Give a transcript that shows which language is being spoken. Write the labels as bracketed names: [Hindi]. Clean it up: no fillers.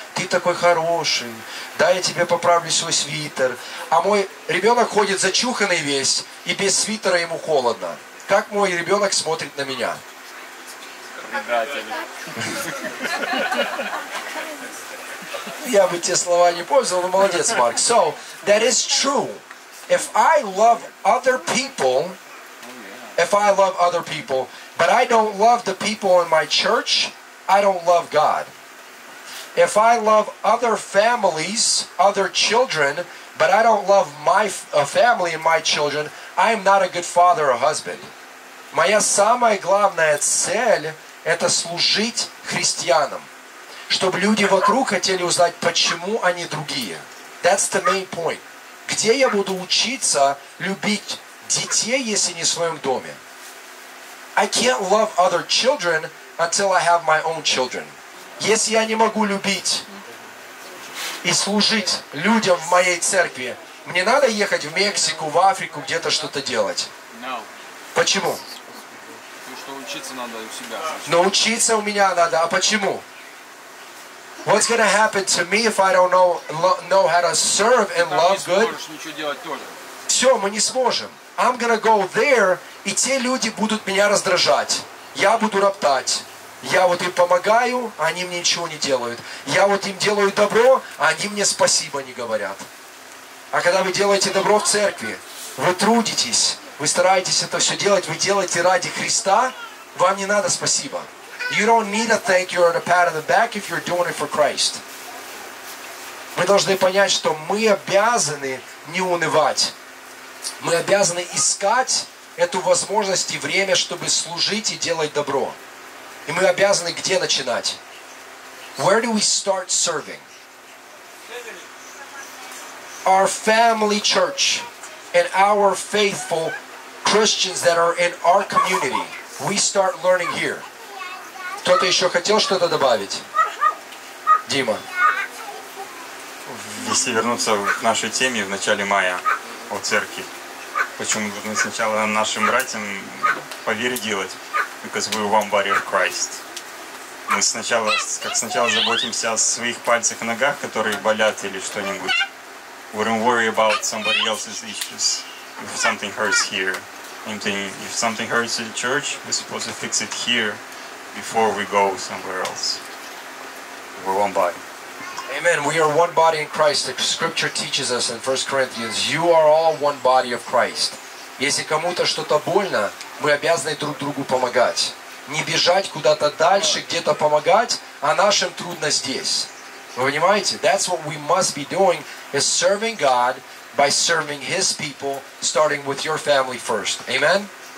[Russian] Ты такой хороший, дай я тебе поправлю свой свитер. А мой ребенок ходит зачуханный весь, и без свитера ему холодно. Как мой ребенок смотрит на меня? Предатель. Я бы те слова не пользовал, но молодец, Марк. [English] So, that is true. If I love other people, if I love other people, but I don't love the people in my church, I don't love God. If I love other families, other children, but I don't love my family and my children, I am not a good father or husband. [Russian] Моя самая главная цель – это служить христианам, чтобы люди вокруг хотели узнать, почему они другие. [English] That's the main point. [Russian] Где я буду учиться любить детей, если не в своем доме? [English] I can't love other children until I have my own children. [Russian] Если я не могу любить и служить людям в моей церкви, Мне надо ехать в Мексику, в Африку, где-то что-то делать? [English] No. [Russian] Почему? Потому что учиться надо у себя. Но учиться у меня надо, а почему? [English] What's going to happen to me if I don't know how to serve and love good? [Russian] Все, мы не сможем. [English] I'm going to go there, [Russian] и те люди будут меня раздражать. Я буду роптать. Я вот им помогаю, а они мне ничего не делают. Я вот им делаю добро, а они мне спасибо не говорят. А когда вы делаете добро в церкви, вы трудитесь, вы стараетесь это все делать, вы делаете ради Христа, вам не надо спасибо. [English] You don't need a thank you or a pat on the back if you're doing it for Christ. [Russian] Мы должны понять, что мы обязаны не унывать. Мы обязаны искать эту возможность и время, чтобы служить и делать добро. И мы обязаны где начинать? [English] Where do we start serving? Our family church and our faithful Christians that are in our community. We start learning here. [Russian] Кто-то еще хотел что-то добавить? Дима. Если вернуться к нашей теме в начале мая о церкви, почему нужно сначала нашим братьям по вере делать? [English] Because we're one body of Christ. [Russian] Мы сначала, как сначала заботимся о своих пальцах и ногах, которые болят или что-нибудь. [English] We don't worry about somebody else's issues. If something hurts here, if something hurts in the church, we're supposed to fix it here before we go somewhere else. We're one body. Amen. We are one body in Christ. The scripture teaches us in 1 Corinthians, you are all one body of Christ. [Russian] Если кому-то что-то больно, мы обязаны друг другу помогать. Не бежать куда-то дальше, где-то помогать, а нашим трудно здесь. Вы понимаете? [English] That's what we must be doing, is serving God by serving His people, starting with your family first. Amen?